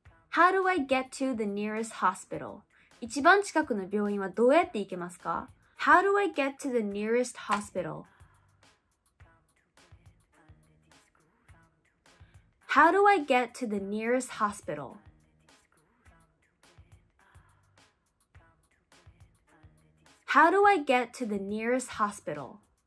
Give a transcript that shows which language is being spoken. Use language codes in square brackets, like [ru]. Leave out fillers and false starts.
[en] How do I get to the nearest hospital? [ja] 一番近くの病院はどうやって行けますか? [en] How do I get to the nearest hospital? How do I get to the nearest hospital? How do I get to the nearest hospital?